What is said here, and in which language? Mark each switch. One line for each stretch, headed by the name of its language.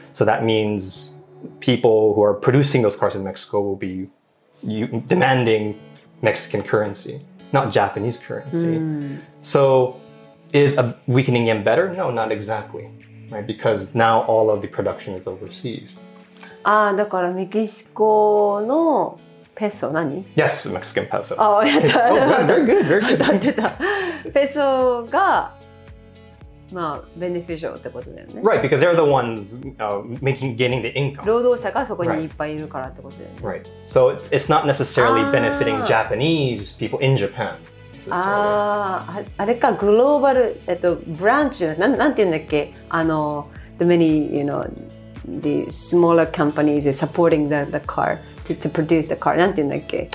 English: So that means people who are producing those cars in Mexico will be demanding Mexican currency, not Japanese currency. So is a weakening yen better? No, not exactly. Right? Because now all of the production is overseas.
Japanese: Ah, だからメキシコのペソ何?
English: Yes, Mexican peso. Oh, yeah. Oh, very good.
Japanese: だってた。ペソが、まあ、beneficial ってことだよね。
English: Right, because they're the ones gaining the income.
Japanese: 労働者がそこにいっぱいいるからってことだよね。
English: Right, so it's not necessarily benefiting Japanese people in Japan.
Japanese: あれか、グローバル、ブランチ、なんて言うんだっけ、
English: the many, you know, the smaller companies are supporting the car. To produce the car,
Japanese: なんて言うんだっけ?